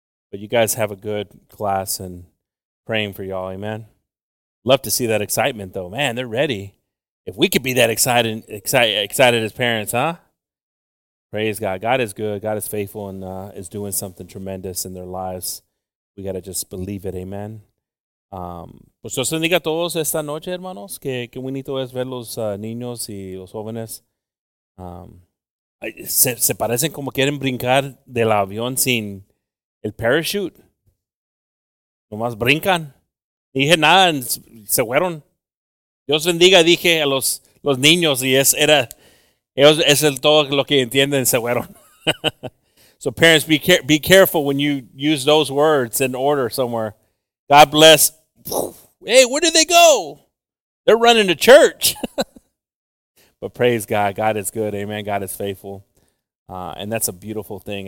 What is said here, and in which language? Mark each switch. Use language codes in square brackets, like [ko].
[en] But you guys have a good class and praying for y'all. Amen. Love to see that excitement, though. Man, they're ready. If we could be that excited as parents, huh? Praise God. God is good. God is faithful and is doing something tremendous in their lives. We got to just believe it. Amen. [es] Pues Dios bendiga a todos esta noche, hermanos. Qué bonito es ver los niños y los jóvenes. Se parecen como quieren brincar del avión sin el parachute. Nomás brincan. Dije nada, se fueron. Dios bendiga, dije a los niños, y ellos es el todo lo que entienden, se fueron. [en] So parents, be careful when you use those words in order somewhere. God bless. Hey, where did they go? They're running to church. But praise God. God is good. Amen. God is faithful. And that's a beautiful thing.